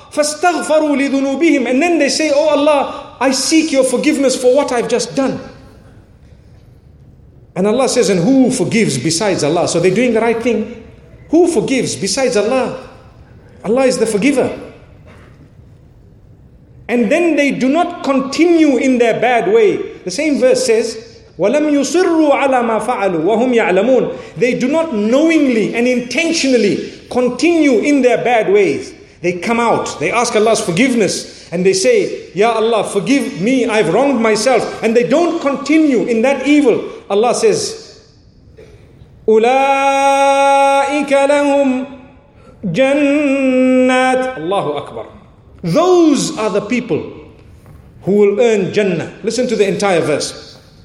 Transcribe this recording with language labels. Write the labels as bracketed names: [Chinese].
[English] Fastaghfaru li dhunubihim. And then they say, oh Allah, I seek your forgiveness for what I've just done. And Allah says, and who forgives besides Allah? So they're doing the right thing. Who forgives besides Allah? Allah is the forgiver. And then they do not continue in their bad way. The same verse says, [Arabic] وَلَمْ يُصِرُّوا عَلَىٰ مَا فَعَلُوا وَهُمْ يَعْلَمُونَ. [English] They do not knowingly and intentionally continue in their bad ways. They come out, they ask Allah's forgiveness, and they say, Ya Allah, forgive me, I've wronged myself. And they don't continue in that evil. Allah says, [Arabic] أُولَٰئِكَ لَهُمْ جَنَّاتٍ. [English] Allahu Akbar. Those are the people who will earn Jannah. Listen to the entire verse.